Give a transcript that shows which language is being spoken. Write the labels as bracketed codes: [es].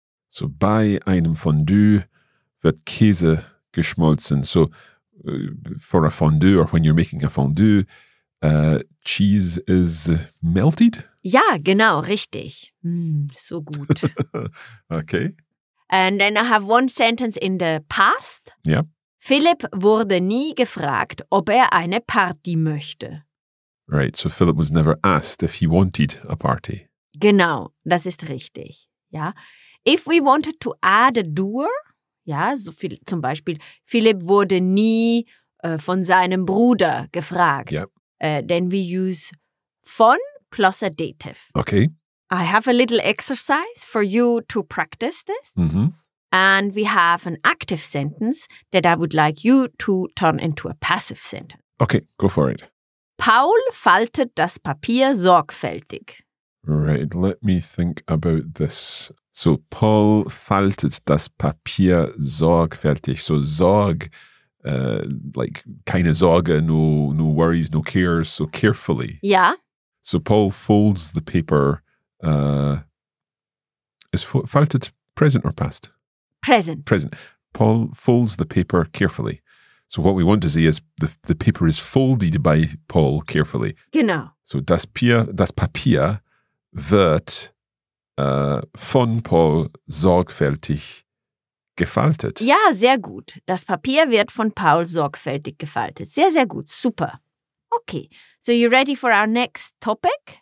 [de] So, bei einem Fondue wird Käse geschmolzen. [en] So, for a fondue or when you're making a fondue, cheese is melted? [de] Ja, genau, richtig. So gut. [en] Okay. And then I have one sentence in the past. [de] Ja. Philipp wurde nie gefragt, ob er eine Party möchte. [en] Right, so Philip was never asked if he wanted a party. [de] Genau, das ist richtig. Ja. [en] If we wanted to add a doer, [de] ja, so viel, zum Beispiel, Philip wurde nie von seinem Bruder gefragt. [en] Yep. Then we use von plus a dative. Okay. I have a little exercise for you to practice this. Mm-hmm. And we have an active sentence that I would like you to turn into a passive sentence. Okay, go for it. [de] Paul faltet das Papier sorgfältig. [en] Right, let me think about this. So, [de] Paul faltet das Papier sorgfältig. [en] So, Sorg, like, [de] keine Sorge, [en] no worries, no cares, so carefully. Yeah. So, Paul folds the paper. Is faltet present or past? Present. Present. Paul folds the paper carefully. So what we want to say is the paper is folded by Paul carefully. [de] Genau. So das Papier wird von Paul sorgfältig gefaltet. Ja, sehr gut. Das Papier wird von Paul sorgfältig gefaltet. Sehr, sehr gut. Super. Okay. [en] So you ready for our next topic?